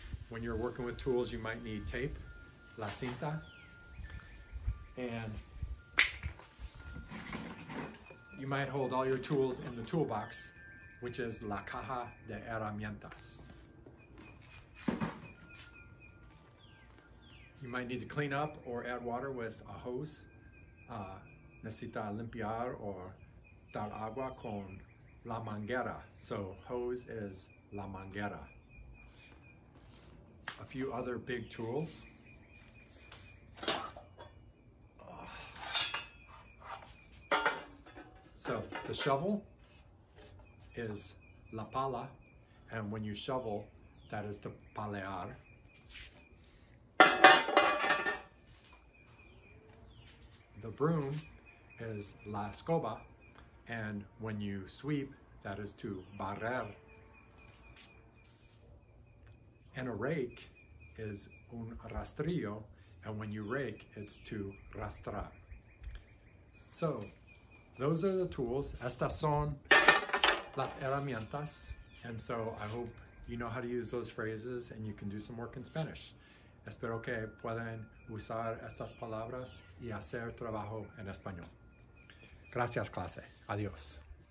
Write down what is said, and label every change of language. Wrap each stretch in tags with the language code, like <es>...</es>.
<en>When you're working with tools, you might need tape,</en> <es>la cinta,</es> <en>and you might hold all your tools in the toolbox, which is</en> <es>la caja de herramientas.</es> <en>You might need to clean up or add water with a hose.</en> <es>Necesita limpiar o dar agua con la manguera.</es> <en>So hose is</en> <es>la manguera.</es> <en>A few other big tools. So the shovel is</en> <es>la pala,</es> <en>and when you shovel, that is to palear. The broom is</en> <es>la escoba,</es> <en>and when you sweep, that is to barrer. And a rake is</en> <es>un rastrillo,</es> <en>and when you rake, it's to rastrar. So, those are the tools.</en> <es>Estas son las herramientas.</es> <en>And so, I hope you know how to use those phrases and you can do some work in Spanish.</en> <es>Espero que puedan usar estas palabras y hacer trabajo en español. Gracias, clase. Adiós.</es>